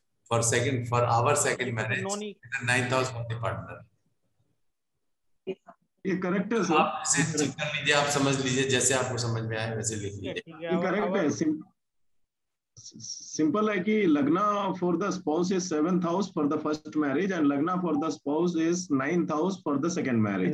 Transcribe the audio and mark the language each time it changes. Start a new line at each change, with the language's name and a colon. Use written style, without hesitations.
English: For second, for our second marriage, 9th house for the partner.
Hindi: ये correct है sir. आप इसे check कर लीजिए, आप समझ लीजिए, जैसे आपको समझ में आए वैसे लिख लीजिए. ये correct है.
English: Simple
Hindi: है कि
English: लगना for the spouse is 7th house for the first marriage and लगना for the spouse is 9th house for the second marriage.